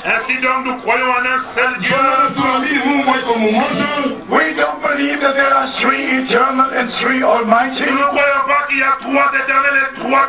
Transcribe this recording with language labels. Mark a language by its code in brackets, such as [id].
[fr] Ainsi donc nous croyons en un seul Dieu. [en] We don't believe that there are three eternal and three almighty. [fr] Nous ne croyons pas qu'il y a trois éternels et trois